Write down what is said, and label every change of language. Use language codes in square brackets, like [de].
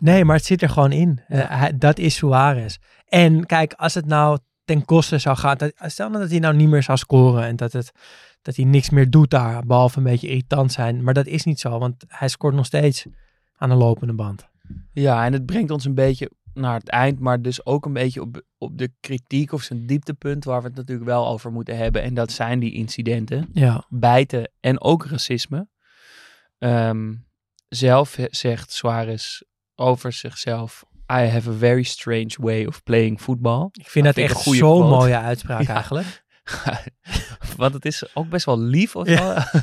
[nl] Nee, maar het zit er gewoon in. Ja. Dat is Suarez. En kijk, als het nou ten koste zou gaan, stel dat hij nou niet meer zou scoren en dat hij niks meer doet daar, behalve een beetje irritant zijn. Maar dat is niet zo, want hij scoort nog steeds aan de lopende band. Ja, en het brengt ons een beetje naar het eind, maar dus ook een beetje op de kritiek of zijn dieptepunt, waar we het natuurlijk wel over moeten hebben. En dat zijn die incidenten, ja. Bijten en ook racisme. Zelf zegt Suarez over zichzelf, [en] I have a very strange way of playing football. [nl] Ik vind dat echt zo'n quote. Mooie uitspraak eigenlijk. Want het is ook best wel lief of zo.